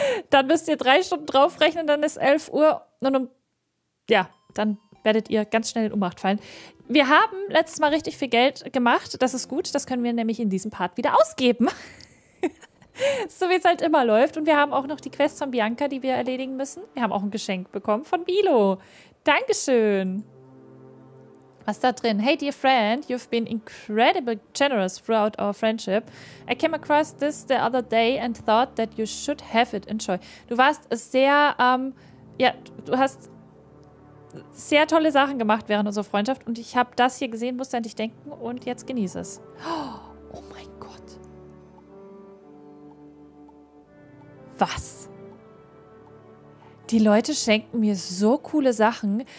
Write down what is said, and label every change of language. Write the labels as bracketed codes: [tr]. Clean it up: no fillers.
[de] Dann müsst ihr 3 Stunden draufrechnen, dann ist 11 Uhr. Und ja, dann werdet ihr ganz schnell in Ohnmacht fallen. Wir haben letztes Mal richtig viel Geld gemacht. Das ist gut. Das können wir nämlich in diesem Part wieder ausgeben. So wie es halt immer läuft. Und wir haben auch noch die Quest von Bianca, die wir erledigen müssen. Wir haben auch ein Geschenk bekommen von Milo. Dankeschön. Was da drin? [en] Hey, dear friend, you've been incredibly generous throughout our friendship. I came across this the other day and thought that you should have it. Enjoy. [de] Du warst sehr, ja, du hast sehr tolle Sachen gemacht während unserer Freundschaft und ich habe das hier gesehen, musste an dich denken und jetzt genieße es. Oh mein Gott. Was? Die Leute schenken mir so coole Sachen.